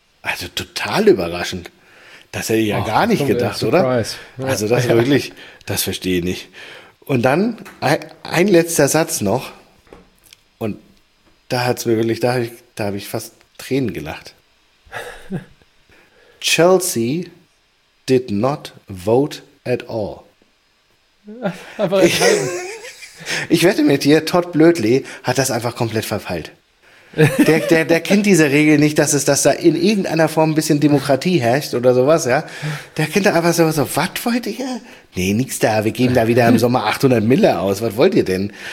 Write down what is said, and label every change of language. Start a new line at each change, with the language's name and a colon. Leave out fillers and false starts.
German: Also total überraschend. Das hätte ich ja och, gar nicht gedacht, oder? Surprise. Ja. Also das ja. wirklich, das verstehe ich nicht. Und dann ein letzter Satz noch. Und da hat es mir wirklich, da habe ich fast Tränen gelacht.
English: Chelsea did not vote at all.
German: Einfach entscheiden. Ich wette mit dir, Todd Blödley hat das einfach komplett verfeilt. Der kennt diese Regel nicht, dass da in irgendeiner Form ein bisschen Demokratie herrscht oder sowas, ja. Der kennt da einfach so, was wollt ihr? Nee, nix da, wir geben da wieder im Sommer 800 Mille aus, was wollt ihr denn?